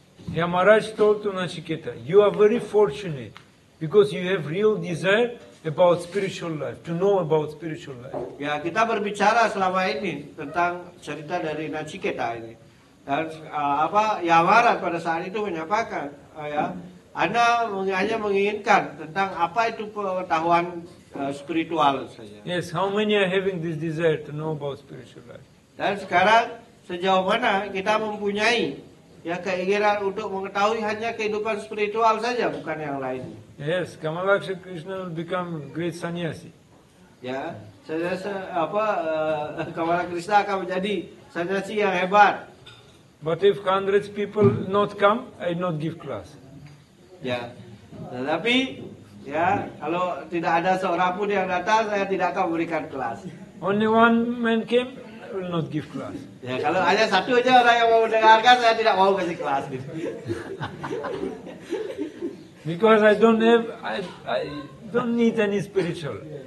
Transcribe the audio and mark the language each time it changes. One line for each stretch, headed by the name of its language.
English: Yamaraj told to Nachiketa, you are very fortunate because you have real desire about spiritual life, to know about spiritual life.
Indonesian: Ya, kita berbicara selama ini tentang cerita dari Nachiketa ini. Dan apa Yamaraj pada saat itu menyampaikan, ya, Anda hanya menginginkan tentang apa itu pengetahuan spiritual saja.
English: Yes, how many are having this desire to know about spiritual life?
Indonesian: Dan sekarang sejauh mana kita mempunyai ya keinginan untuk mengetahui hanya kehidupan spiritual saja, bukan yang lain.
English: Yes, Kamalaksha Krishna will become great sannyasi.
Indonesian: Ya, sannyasi apa Kamala Krishna akan menjadi sannyasi yang hebat.
English: But if hundreds people not come, I not give class.
Indonesian: Ya, tetapi ya kalau tidak ada seorang pun yang datang, saya tidak akan memberikan kelas.
English: Only one man came. Will not give class.
Indonesian: Ya kalau hanya satu aja orang yang mau mendengarkan, saya tidak mau kasih kelas.
English: Because I don't have, I don't need any spiritual.